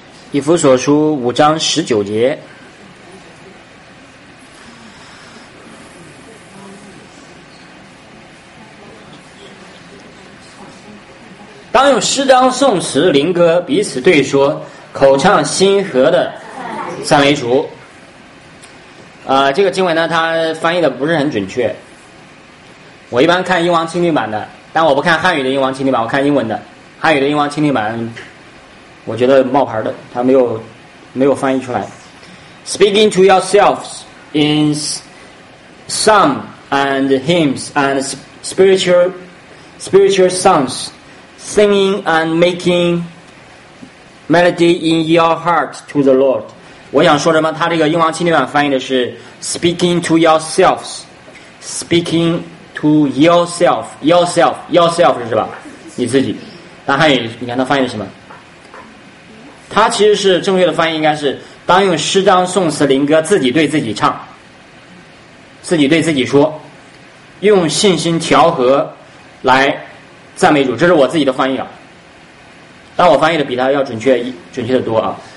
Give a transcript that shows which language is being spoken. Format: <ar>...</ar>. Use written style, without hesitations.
<zh>以弗所书五章十九节，当用诗章颂词灵歌彼此对说，口唱心和的赞美主。这个经文呢，它翻译的不是很准确。我一般看英王钦定版的，但我不看汉语的英王钦定版，我看英文的。汉语的英王钦定版，我觉得冒牌的，它没有翻译出来。</zh> <en>Speaking to yourselves in psalm and hymns and spiritual songs. Singing and making melody in your heart to the Lord.</en> <zh>我想说什么？他这个英王钦定版翻译的是</zh> <en>"speaking to yourselves." Speaking to yourself, yourself, yourself</en> <zh>是吧？你自己。那汉语你看他翻译的什么？他其实是正确的翻译应该是当用诗章、颂词、灵歌自己对自己唱，自己对自己说，用信心调和来。赞美主，这是我自己的翻译啊，但我翻译的比他要准确的多啊。</zh>